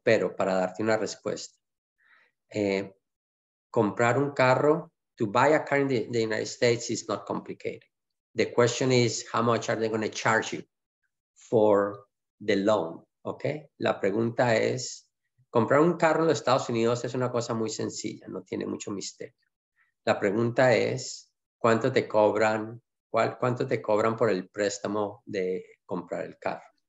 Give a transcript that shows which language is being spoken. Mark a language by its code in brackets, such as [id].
[es] Pero para darte una respuesta, comprar un carro. [en] To buy a car in the United States is not complicated. The question is, how much are they going to charge you for the loan? Okay? La pregunta es, [es] Comprar un carro en los Estados Unidos es una cosa muy sencilla, no tiene mucho misterio. La pregunta es, ¿cuánto te cobran? ¿Cuánto te cobran por el préstamo de comprar el carro?